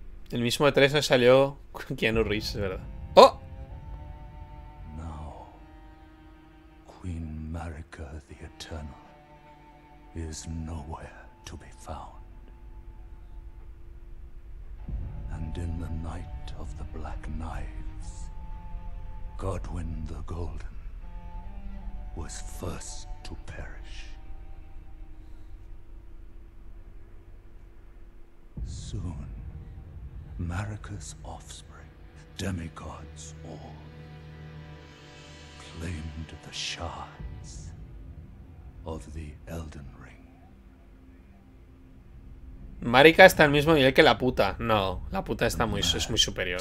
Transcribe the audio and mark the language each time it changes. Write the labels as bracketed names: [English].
[Spanish] El mismo de 3 me salió con Keanu Reeves, es verdad. ¡Oh! [English] Now, Queen Marika the Eternal is nowhere to be found. And in the night of the Black Knives, Godwin the Golden was first to perish. Soon. Marika's offspring, demigods all, claimed the shards of the Elden Ring. [Spanish] Marika está al mismo nivel que la puta. No, la puta está muy, es muy superior.